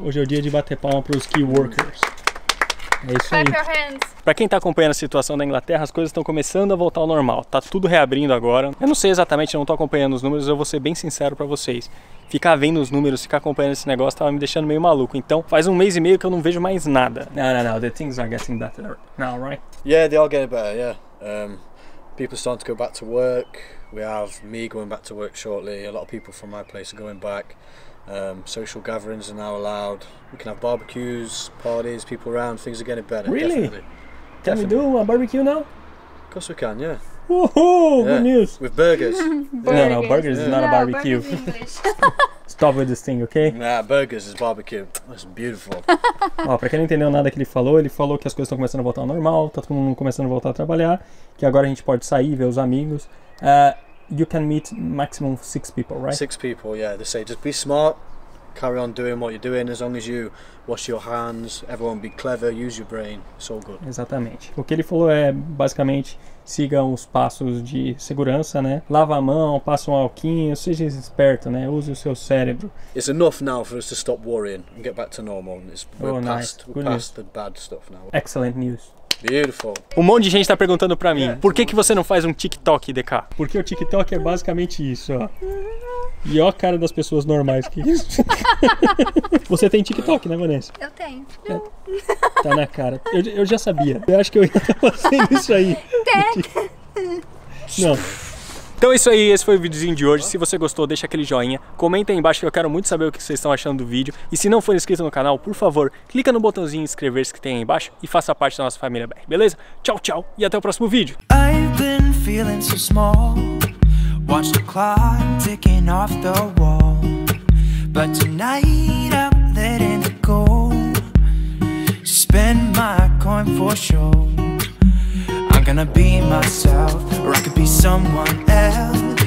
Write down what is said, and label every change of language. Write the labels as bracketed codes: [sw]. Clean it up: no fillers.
[pt] Hoje é o dia de bater palma para os key workers. É isso aí. Para quem está acompanhando a situação da Inglaterra, as coisas estão começando a voltar ao normal. Tá tudo reabrindo agora. Eu não sei exatamente, não estou acompanhando os números. Eu vou ser bem sincero para vocês. Ficar vendo os números, ficar acompanhando esse negócio, tava me deixando meio maluco. Então, faz um mês e meio que eu não vejo mais nada. Não. [en] The things are getting better now, right? Yeah, they are getting better, yeah. People starting to go back to work. We have me going back to work shortly. A lot of people from my place are going back. Social gatherings are now allowed. We can have barbecues, parties, people around. Things are getting better, really? Definitely. We do a barbecue now? Of course we can, yeah. Woohoo! Yeah. Good news! With burgers. Burgers. No, burgers is not a barbecue. Burgers in English. Stop with this thing, okay? Nah, burgers is barbecue. That's beautiful. [pt] Ó, pra quem não entendeu nada que ele falou que as coisas estão começando a voltar ao normal, tá todo mundo começando a voltar a trabalhar, que agora a gente pode sair, ver os amigos. [en] you can meet maximum 6 people, right? 6 people, yeah. They say just be smart, carry on doing what you're doing, as long as you wash your hands, everyone be clever, use your brain, it's all good. [pt] Exatamente. O que ele falou é basicamente siga os passos de segurança, né? Lava a mão, passa um alquinho, seja esperto, né? Use o seu cérebro. [en] It's enough now for us to stop worrying and get back to normal. We're past the bad stuff now. Excellent news. Beautiful. [pt] Um monte de gente tá perguntando pra mim, por que você não faz um TikTok, DK? Porque o TikTok é basicamente isso, ó. E ó a cara das pessoas normais que isso. Você tem TikTok, né, Vanessa? Eu tenho. É, tá na cara. Eu já sabia. Eu acho que eu ia fazendo isso aí. Não. Então é isso aí, esse foi o videozinho de hoje. Se você gostou, deixa aquele joinha. Comenta aí embaixo que eu quero muito saber o que vocês estão achando do vídeo. E se não for inscrito no canal, por favor, clica no botãozinho inscrever-se que tem aí embaixo e faça parte da nossa família BR, beleza? Tchau, tchau e até o próximo vídeo. [en] I've been feeling so small. Watch the clock ticking off the wall. But tonight I'm letting it go. Spend my coin for show. Gonna be myself, or I could be someone else.